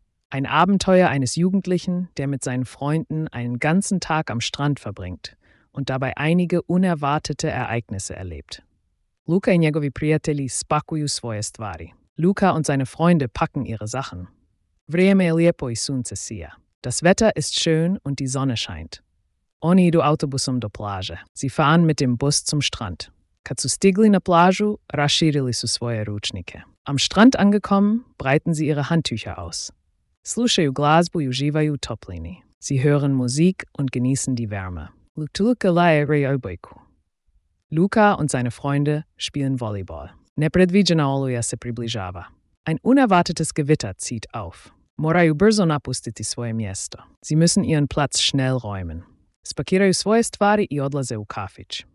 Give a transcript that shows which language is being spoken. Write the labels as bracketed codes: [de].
[de] Ein Abenteuer eines Jugendlichen, der mit seinen Freunden einen ganzen Tag am Strand verbringt und dabei einige unerwartete Ereignisse erlebt. [hr] Luka i njegovi prijatelji spakuju svoje stvari. [de] Luka und seine Freunde packen ihre Sachen. [hr] Vrijeme je lijepo i sunce sija. [de] Das Wetter ist schön und die Sonne scheint. [hr] Oni idu autobusom do plaže. [de] Sie fahren mit dem Bus zum Strand. [hr] Kad su stigli na plažu, raširili su svoje ručnike. [de] Am Strand angekommen, breiten sie ihre Handtücher aus. [hr] Slušaju glazbu i uživaju toplini. [de] Sie hören Musik und genießen die Wärme. [hr] Luka laje rejobojku. [de] Luka und seine Freunde spielen Volleyball. [hr] Nepredviđena oluja se približava. [de] Ein unerwartetes Gewitter zieht auf. [hr] Moraju brzo napustiti svoje mjesto. [de] Sie müssen ihren Platz schnell räumen. [hr] Spakiraju svoje stvari i odlaze u kafić.